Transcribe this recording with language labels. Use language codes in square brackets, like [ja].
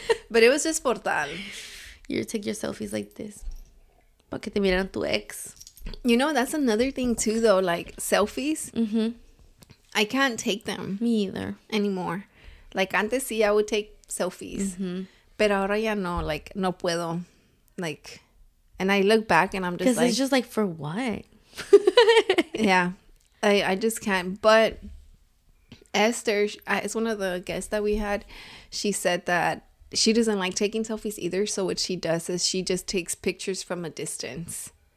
[en] But it was just Portal. You take your selfies like this. [es] Para que te miraran tu ex. [en] You know, that's another thing too, though, like selfies. Mm-hmm. I can't take them. Me either. Anymore. Like, [es] antes sí, [en] I would take selfies. Mm-hmm. [es] Pero ahora ya no, like, no puedo. [en] Like, and I look back and I'm just like, 'cause it's just like, for what? Yeah. I just can't. But Esther, it's one of the guests that we had. She said that she doesn't like taking selfies either. So what she does is she just takes pictures from a distance.